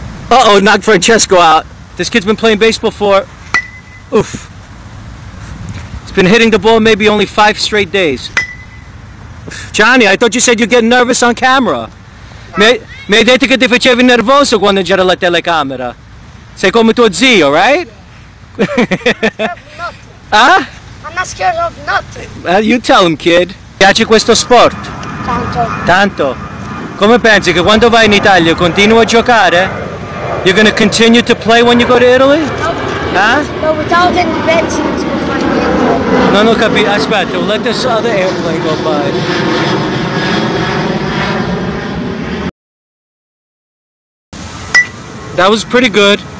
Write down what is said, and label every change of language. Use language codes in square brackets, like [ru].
[en] Uh-oh, knocked Francesco out. This kid's been playing baseball for... Oof. He's been hitting the ball maybe only 5 straight days. Johnny, I thought you said you'd get nervous on camera. [it] Mi hai detto che ti facevi nervoso quando c'era la telecamera. Sei come tuo zio, [en] right? Yeah. I'm not scared of nothing. Huh? I'm not scared of nothing. You tell him, kid. [it] Piace questo sport? Tanto. Tanto. Come pensi che quando vai in Italia continui a giocare? [en] You're gonna continue to play when you go to Italy? Nope. Huh? No, without any beds, it's gonna find me. No, no, [it] capito. Aspetta, [en] let this other airplane go by. That was pretty good.